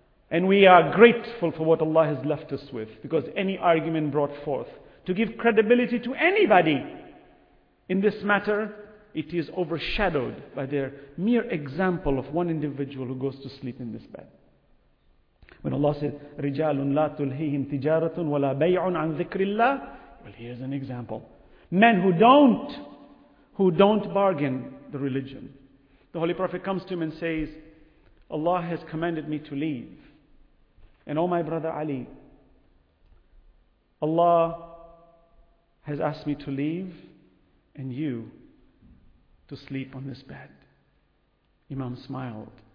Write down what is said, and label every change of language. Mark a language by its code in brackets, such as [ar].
[en] And we are grateful for what Allah has left us with, because any argument brought forth to give credibility to anybody in this matter, it is overshadowed by their mere example of one individual who goes to sleep in this bed. When Allah said, [ar] رِجَالٌ لَا تُلْهِيهِمْ تِجَارَةٌ وَلَا بَيْعٌ عَنْ ذِكْرِ اللَّهِ. [en] Well, here's an example. Men who don't bargain the religion. The Holy Prophet comes to him and says, Allah has commanded me to leave. And oh my brother Ali, Allah has asked me to leave and you to sleep on this bed. Imam smiled.